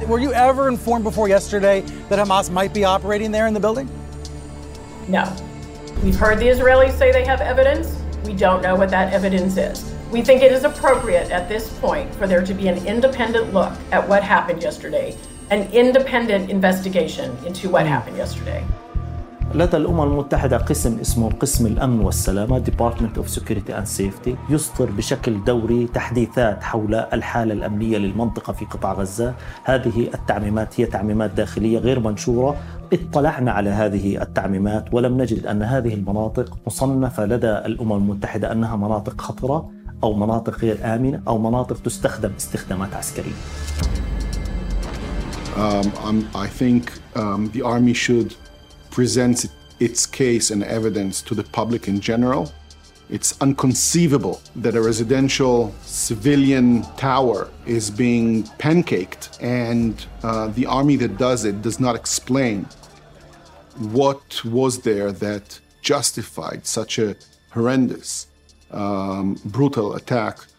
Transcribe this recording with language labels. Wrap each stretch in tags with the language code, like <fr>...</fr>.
<en>Were you ever informed before yesterday that Hamas might be operating there in the building? No. We've heard the Israelis say they have evidence. We don't know what that evidence is. We think it is appropriate at this point for there to be an independent look at what happened yesterday, an independent investigation into what happened yesterday.</en> <ar>لدى الأمم المتحدة قسم اسمه قسم الأمن والسلامة</ar> <en>Department of Security and Safety</en> <ar>يصدر بشكل دوري تحديثات حول الحالة الأمنية للمنطقة في قطاع غزة هذه التعميمات هي تعميمات داخلية غير منشورة اطلعنا على هذه التعميمات ولم نجد أن هذه المناطق مصنفة لدى الأمم المتحدة أنها مناطق خطرة أو مناطق غير آمنة أو مناطق تستخدم استخدامات عسكرية.</ar> <en>I think the army should present its case and evidence to the public in general. It's unconceivable that a residential civilian tower is being pancaked, and the army that does it does not explain what was there that justified such a horrendous, brutal attack.</en>